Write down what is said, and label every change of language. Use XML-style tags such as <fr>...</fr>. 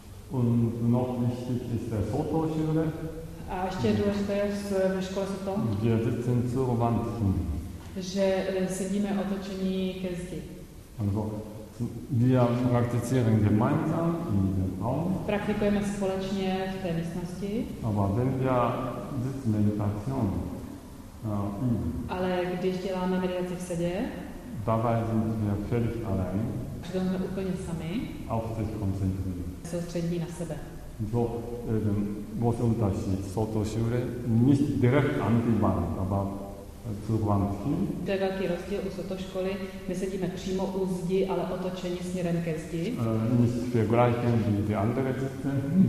<de>Und noch wichtig ist der Fotoschule.</de> <cs>A ještě důležité je ve škole se to?</cs> <de>Wir sitzen zur Wand hin.</de> <cs>Že sedíme otočení ke zdi.</cs> <de>Also, wir praktizieren gemeinsam in dem Raum.</de> <cs>Praktikujeme společně v té místnosti.</cs> <de>Aber wenn wir sitzen Meditation.</de> <cs>Ale když děláme meditaci v sedě,</cs> <de>dabei sind wir völlig allein.</de> <cs>Přitom jsme úplně sami.</cs> <de>Auf sich konzentrieren.</de> <cs>Soustředí na sebe.</cs> <de>So, was Unterschied? Soto Shure, nicht direkt an die Wand, aber zur Wand hin.</de> <cs>To je velký rozdíl u Soto školy. My sedíme přímo u zdi, ale otočení směrem ke zdi.</cs> <de>Nicht vergleichen wie die andere sitzen.</de>